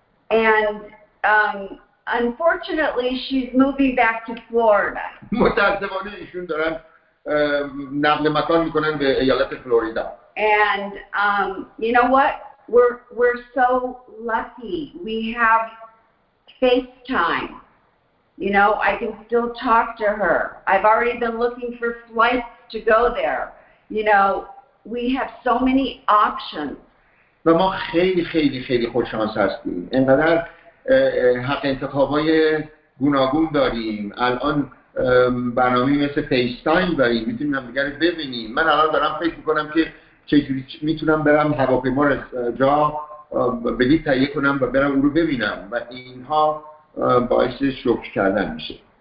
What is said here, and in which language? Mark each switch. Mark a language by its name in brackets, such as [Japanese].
[English] And unfortunately she's moving back to Florida. [Persian] متأسفانه ایشون دارن نقل مکان میکنن به ایالت فلوریدا. [English] And you know what? We're so lucky. We have FaceTime. You know, I can still talk to her. I've already been looking for flights to go there. You know, we have so many options. [Persian] و ما خیلی خیلی خیلی خوششانس هستیم. اینقدر حق انتخابای گوناگون داریم. الان برنامه مثل فیستایم داریم. میتونیم هم دیگر ببینیم. من الان دارم فکر میکنم که چجوری میتونم برم هواپیما جا بلیط تهیه کنم و برم اون رو ببینم و اینها باعث شوک کردن میشه.